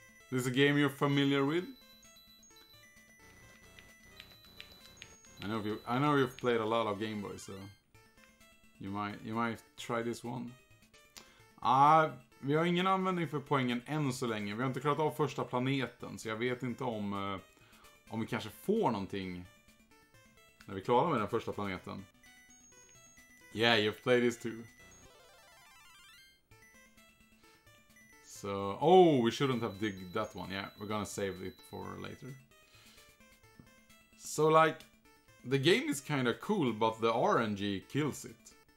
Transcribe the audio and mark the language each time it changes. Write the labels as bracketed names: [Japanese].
[English] This is a game you're familiar with? I know you've played a lot of Game Boy, so you might try this one. [Swedish] Vi har ingen användning för poängen än så länge. Vi har inte klarat av första planeten, så jag vet inte om vi kanske får någonting när vi klarar med den första planeten. [English] Yeah, you've played this too. So, oh, we shouldn't have digged that one. Yeah, we're gonna save it for later. So, like, the game is kind of cool, but the RNG kills it.